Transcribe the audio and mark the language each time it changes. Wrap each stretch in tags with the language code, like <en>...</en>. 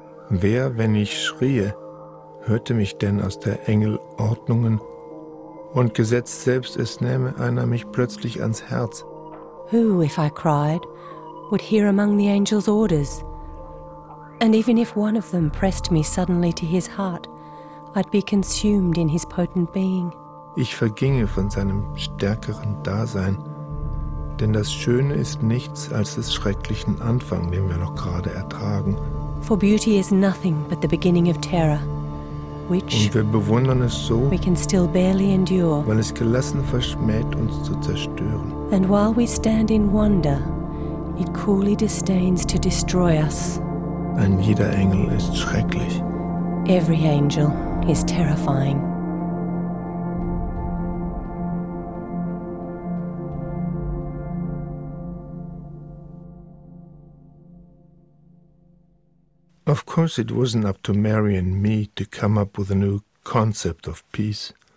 <de>Wer, wenn ich schrie, hörte mich denn aus der Engel Ordnungen und gesetzt selbst es nähme einer mich plötzlich ans Herz.</de> <en>Who, if I cried, would hear among the angels' orders? And even if one of them pressed me suddenly to his heart, I'd be consumed in his potent being.</en> <de>Ich verginge von seinem stärkeren Dasein, denn das Schöne ist nichts als des schrecklichen Anfang, den wir noch gerade ertragen.</de> <en>For beauty is nothing but the beginning of terror, which</en> <de>und wir bewundern es so,</de> <en>we can still barely endure,</en> <de>weil es gelassen verschmäht, uns zu zerstören.</de> <en>And while we stand in wonder, it coolly disdains to destroy us.</en> <de>Ein jeder Engel ist schrecklich.</de> <en>Every angel is terrifying. Of course, it wasn't up to Mary and me to come up with a new concept of peace.</en>